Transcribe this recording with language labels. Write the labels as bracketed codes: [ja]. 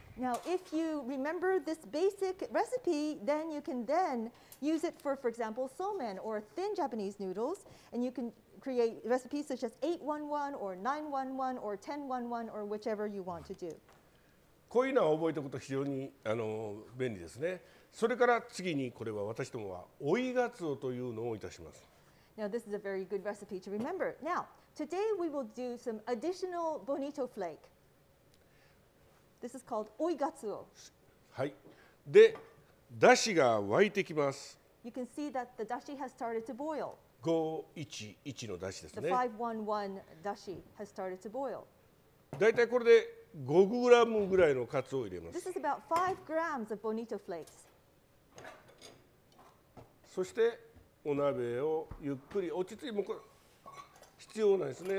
[en] Now, if you remember this basic recipe, then you can then use it for example, somen or thin Japanese noodles, and you can create recipes such as 811 or 911 or 1011 or whichever you want to do. [ja] こういうのは覚えておくと非常に便利ですね。それから次にこれは私どもは追いがつおというのをいたします。 [en] Now, this is a very good recipe to remember. Now, today we will do some additional bonito flake. This is called おいがつお。 [ja] はい。で、だしが沸いてきます。 [en] You can see that the dashi has started to boil. [ja] 511のだしですね。 [en] The 511 dashi has started to boil. [ja] だいたいこれで5グラムぐらいのかつおを入れます。 [en] This is about 5 grams of bonito flakes. [ja] そしてお鍋をゆっくり落ち着いて、もうこれ必要ないですね。